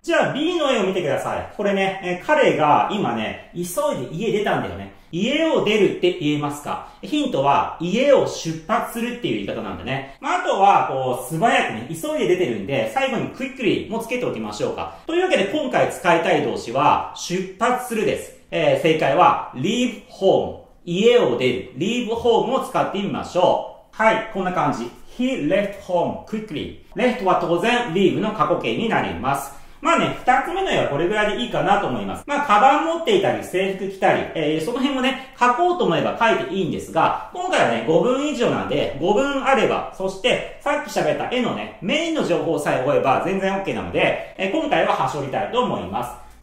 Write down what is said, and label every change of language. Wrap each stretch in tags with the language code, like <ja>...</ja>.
<ja>じゃあ B の絵を見てください。これね、彼が今ね、急いで家出たんだよね。家を出るって言えますか？ヒントは、家を出発するっていう言い方なんでね。まあ、あとは、こう、素早くね、急いで出てるんで、最後にクイックリーもつけておきましょうか。というわけで、今回使いたい動詞は、出発するです。正解は、</ja> <en>leave home。</en> <ja>家を出る。</ja> <en>leave home</en> <ja>を使ってみましょう。はい、こんな感じ。</ja> <en>he left home quickly。</en> <ja>left は当然、leave の過去形になります。まあね、二つ目の絵はこれぐらいでいいかなと思います。まあ、カバン持っていたり、制服着たり、その辺もね、書こうと思えば書いていいんですが、今回はね、5文以上なんで、5文あれば、そして、さっき喋った絵のね、メインの情報さえ覚えば全然 OK なので、今回は端折りたいと思います。</ja>